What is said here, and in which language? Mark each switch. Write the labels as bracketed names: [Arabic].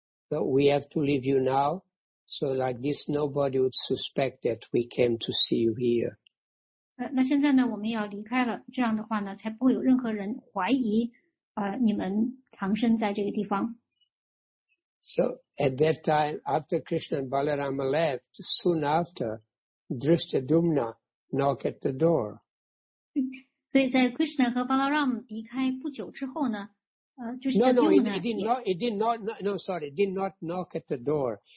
[English] But we have to leave you now, so like this, nobody would suspect that we came to see you here. [Chinese] 那现在呢，我们要离开了，这样的话呢，才不会有任何人怀疑，你们藏身在这个地方。 [English] So at that time, after Krishna and Balarama left, soon after, Drishtadyumna knocked at the door. [Chinese] 所以在 Krishna 和 Balaram 离开不久之后呢， [English] It did not knock at the door.